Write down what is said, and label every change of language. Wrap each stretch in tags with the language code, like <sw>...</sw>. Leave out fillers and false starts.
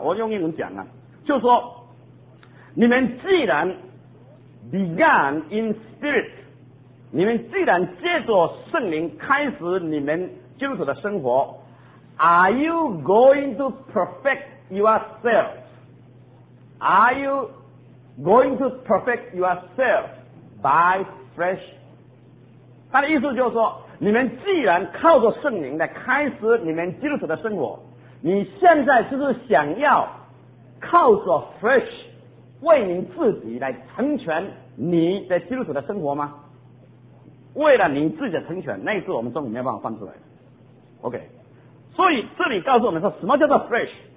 <zh>我用英文讲啊，就说你们既然</zh> <en>began in spirit，</en> <zh>你们既然借着圣灵开始你们基督徒的生活，</zh> <en>Are you going to perfect yourself？ Are you going to perfect yourself by flesh？</en> <zh>他的意思就是说，你们既然靠着圣灵来开始你们基督徒的生活，你现在就是想要靠着 flesh 为你自己来成全你的基督徒的生活吗？为了你自己的成全，那是我们中文没有办法翻出来的。OK， 所以这里告诉我们说，什么叫做 flesh？</zh>